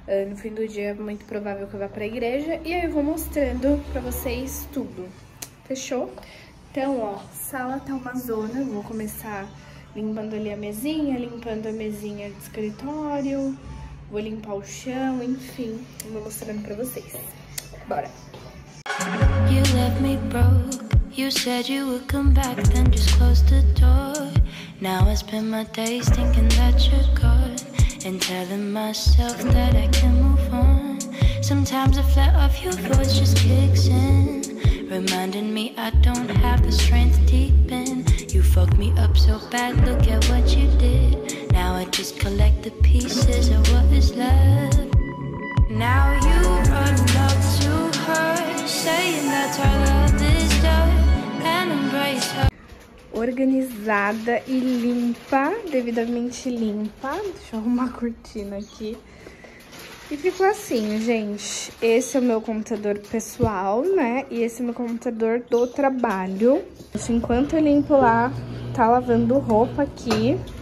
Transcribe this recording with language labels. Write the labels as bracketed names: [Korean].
[Portuguese] No fim do dia, é muito provável que eu vá pra igreja. E aí, eu vou mostrando pra vocês tudo. Fechou? Então, ó, sala tá uma zona. Eu vou começar limpando ali a mesinha, limpando a mesinha de escritório. Vou limpar o chão, enfim. Vou mostrando pra vocês. Bora! [English] You left me broke. You said you would come back, then just close the door. Now I spend my days thinking that you're gone. And telling myself that I can move on. Sometimes the flat of your voice just kicks in, reminding me I don't have the strength deep in. You fucked me up so bad, look at what you did. Now I just collect the pieces of what is left. Now you run up to her, saying that our love is done, and embrace her. [Portuguese] Organizada e limpa, devidamente limpa. Deixa eu arrumar a cortina aqui. E ficou assim, gente. Esse é o meu computador pessoal, né? E esse é o meu computador do trabalho. Enquanto eu limpo lá, tá lavando roupa aqui.